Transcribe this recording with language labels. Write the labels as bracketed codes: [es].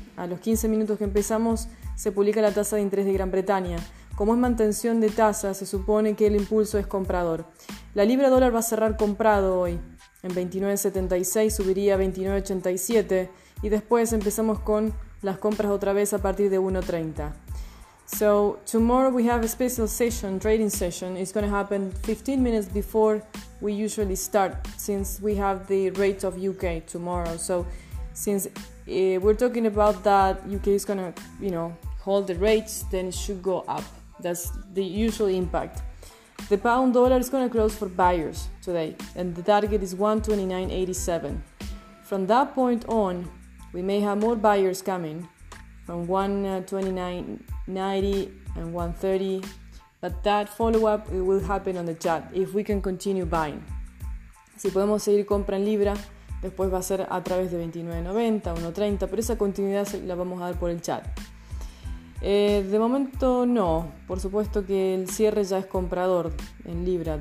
[es] A los 15 minutos que empezamos, se publica la tasa de interés de Gran Bretaña. Como es mantención de tasa, se supone que el impulso es comprador. La libra dólar va a cerrar comprado hoy. En 29.76 subiría a 29.87 y después empezamos con las compras otra vez a partir de 1.30. [en] So, tomorrow we have a special session, trading session. It's going to happen 15 minutes before we usually start, since we have the rate of UK tomorrow. So, since we're talking about that UK is going to, you know, hold the rates, then it should go up. That's the usual impact. The pound dollar is going to close for buyers today, and the target is 129.87. From that point on, we may have more buyers coming from 129.90 and 130, but that follow-up will happen on the chat if we can continue buying. [es] Si podemos seguir compra en libra, después va a ser a través de 29.90, 1.30, pero esa continuidad la vamos a dar por el chat. De momento no, por supuesto que el cierre ya es comprador en libra.